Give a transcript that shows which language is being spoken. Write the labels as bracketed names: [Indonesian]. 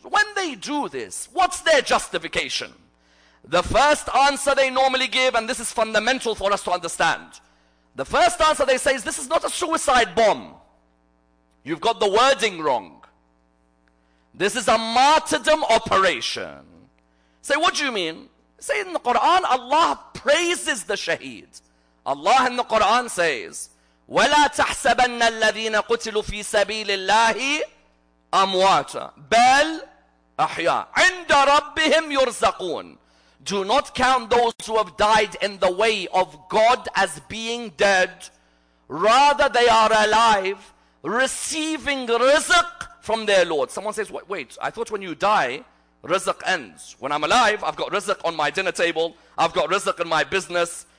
[English] When they do this, what's their justification? The first answer they normally give, and this is fundamental for us to understand. The first answer they say is, this is not a suicide bomb. You've got the wording wrong. This is a martyrdom operation. Say, what do you mean? Say, in the Quran, Allah praises the shaheed. Allah in the Quran says, [Arabic] وَلَا تَحْسَبَنَّ الَّذِينَ قُتِلُوا فِي سَبِيلِ اللَّهِ أَمْوَاتًا بَلْ أَحْيَا عِنْدَ رَبِّهِمْ يُرْزَقُونَ. [English] Do not count those who have died in the way of God as being dead. Rather, they are alive, receiving rizq from their Lord. Someone says, wait, I thought when you die, rizq ends. When I'm alive, I've got rizq on my dinner table. I've got rizq in my business.